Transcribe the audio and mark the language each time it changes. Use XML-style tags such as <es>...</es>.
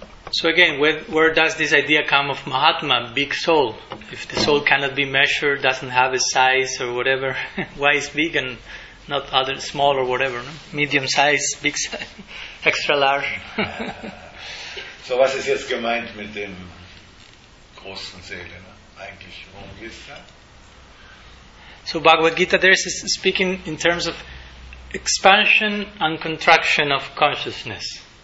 <en>So again, where does this idea come of Mahatma, big soul? If the soul cannot be measured, doesn't have a size or whatever, why is big and not other small or whatever, no? Medium size, big size, extra large?</en> <de>So was ist jetzt gemeint mit dem großen Seele, ne? Eigentlich, worum geht's da?</de> <en>So Bhagavad Gita there is speaking in terms of expansion and contraction of consciousness.</en>